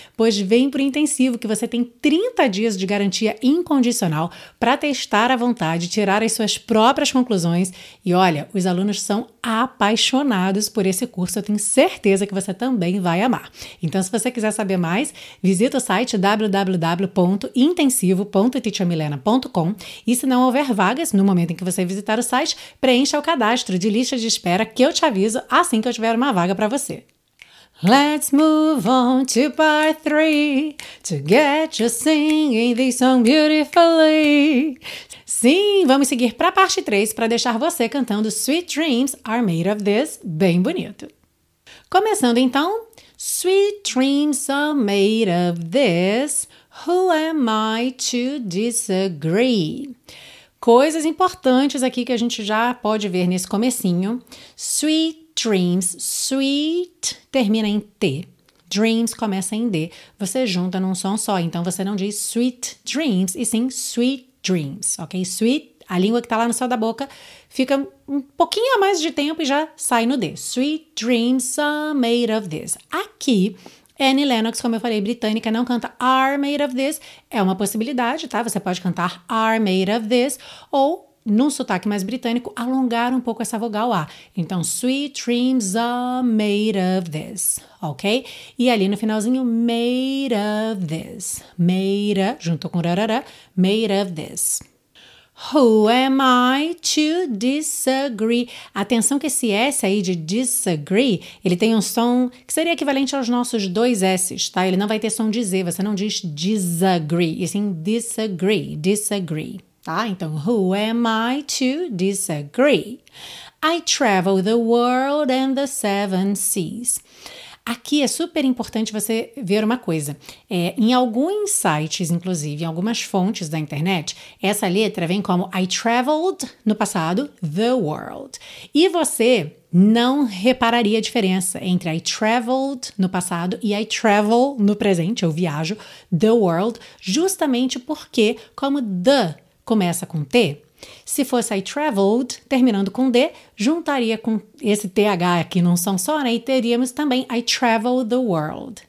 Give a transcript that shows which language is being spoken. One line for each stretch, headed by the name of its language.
Portuguese: Pois vem pro Intensivo que você tem 30 dias de garantia incondicional para testar à vontade, tirar as suas próprias conclusões e olha, os alunos são apaixonados por esse curso, eu tenho certeza que você também vai amar. Então se você quiser saber mais, visita o site www.intensivo.teachermilena.com e se não houver vagas, no momento em que você visitar o site, preencha o cadastro de lista de espera que eu te aviso assim que eu tiver uma vaga para você.
English: Let's move on to part 3 to get you singing this song beautifully.
Portuguese: Sim, vamos seguir para a parte 3 para deixar você cantando Sweet Dreams Are Made of This bem bonito. Começando então,
English: Sweet Dreams Are Made of This. Who am I to disagree?
Portuguese: Coisas importantes aqui que a gente já pode ver nesse comecinho.
English: Sweet dreams,
Portuguese: sweet termina em T. Dreams começa em D. Você junta num som só, então você não diz
English: sweet dreams,
Portuguese: e sim sweet dreams, ok? Sweet, a língua que tá lá no céu da boca, fica um pouquinho a mais de tempo e já sai no D.
English: Sweet dreams are made of this.
Portuguese: Aqui, Annie Lennox, como eu falei, britânica, não canta
English: are made of this.
Portuguese: É uma possibilidade, tá? Você pode cantar
English: are made of this.
Portuguese: Ou, num sotaque mais britânico, alongar um pouco essa vogal A. Então,
English: sweet dreams are made of this. Ok?
Portuguese: E ali no finalzinho,
English: made of this.
Portuguese: Made, junto com rarara, made of this.
English: Who am I to disagree?
Portuguese: Atenção que esse S aí de
English: disagree,
Portuguese: ele tem um som que seria equivalente aos nossos dois S, tá? Ele não vai ter som de Z, você não diz
English: disagree,
Portuguese: e sim disagree, disagree, tá? Então,
English: who am I to disagree? I travel the world and the seven seas.
Portuguese: Aqui é super importante você ver uma coisa. Em alguns sites, inclusive, em algumas fontes da internet, essa letra vem como
English: I traveled,
Portuguese: no passado,
English: the world.
Portuguese: E você não repararia a diferença entre
English: I traveled
Portuguese: no passado e
English: I travel
Portuguese: no presente, eu viajo,
English: the world,
Portuguese: justamente porque, como the começa com T, se fosse I traveled, terminando com D, juntaria com esse TH aqui num som só, né? E teríamos também
English: I travel the world.